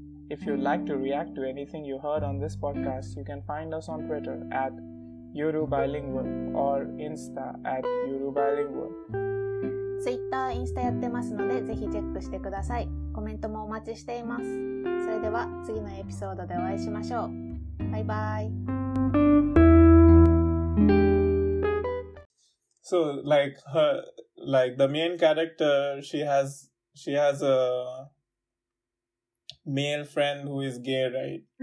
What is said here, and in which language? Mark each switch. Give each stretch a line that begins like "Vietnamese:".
English: If you'd like to react to anything you heard on this podcast, you can find us on Twitter at YuruBilingual or Insta at YuruBilingual.
Japanese: Twitter、Insta やってますので、ぜひチェックしてください。コメントもお待ちしています。それでは次のエピソードでお会いしましょう。バイバイ。
English: So, like, her, like, the main character, she has a male friend who is gay, right?